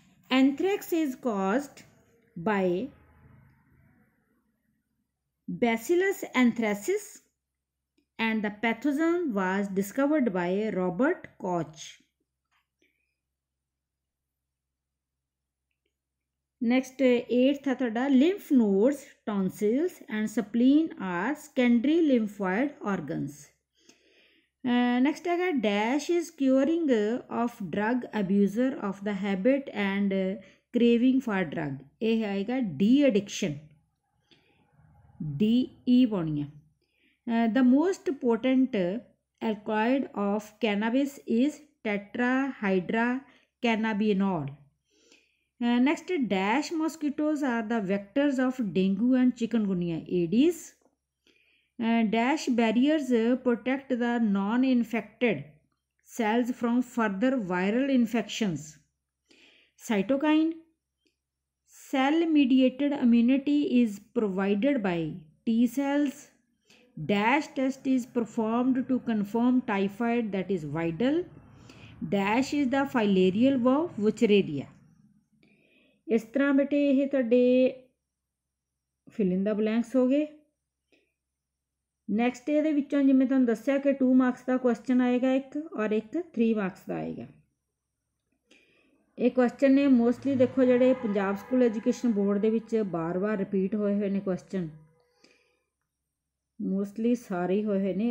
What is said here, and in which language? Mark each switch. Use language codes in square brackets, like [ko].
[en] Anthrax is caused by Bacillus anthracis and the pathogen was discovered by Robert Koch. Next, [pa] eighth ਆ ਤੁਹਾਡਾ, [en] Lymph nodes tonsils and spleen are secondary lymphoid organs. Next ਹੈਗਾ, dash is curing of drug abuser of the habit and craving for drug, [pa] ਇਹ ਆਏਗਾ D induction, D E ਪਾਉਣੀ ਆ। [en] The most important ਐਲਕਾਇਡ of ਕੈਨਾਬਿਸ is ਟੈਟਰਾਹਾਈਡਰਾ ਕੈਨਾਬੀਨੋਲ। Next, dash ਮੋਸਕੀਟੋਜ਼ R the vectors of dengue and chikungunya, ਏਡੀਸ। Dash barriers protect the non infected cells from further viral infections, ਸਾਈਟੋਕਾਈਨ। Cell ਮੀਡੀਏਟਡ immunity is provided by T cells, dash test is performed to confirm typhoid that is Widal. Dash is the filarial worm Wuchereria. [hi] इस तरह बेटे यह [pa] ਤੁਹਾਡੇ filling ਦਾ blanks ਹੋ ਗਏ. Next ਇਹਦੇ ਵਿੱਚੋਂ ਜਿਵੇਂ ਤੁਹਾਨੂੰ ਦੱਸਿਆ ਕਿ 2 ਮਾਰਕਸ ਦਾ ਕੁਐਸਚਨ ਆਏਗਾ ਇੱਕ, ਔਰ ਇੱਕ 3 ਮਾਰਕਸ ਦਾ ਆਏਗਾ. ਇਹ ਕੁਐਸਚਨ ਨੇ ਮੋਸਟਲੀ ਦੇਖੋ ਜਿਹੜੇ ਪੰਜਾਬ ਸਕੂਲ ਐਜੂਕੇਸ਼ਨ ਬੋਰਡ ਦੇ ਵਿੱਚ ਬਾਰ ਬਾਰ ਰਿਪੀਟ ਹੋਏ ਹੋਏ ਨੇ ਕੁਐਸਚਨ, ਮੋਸਟਲੀ ਸਾਰੇ ਹੋਏ ਹੋਏ ਨੇ.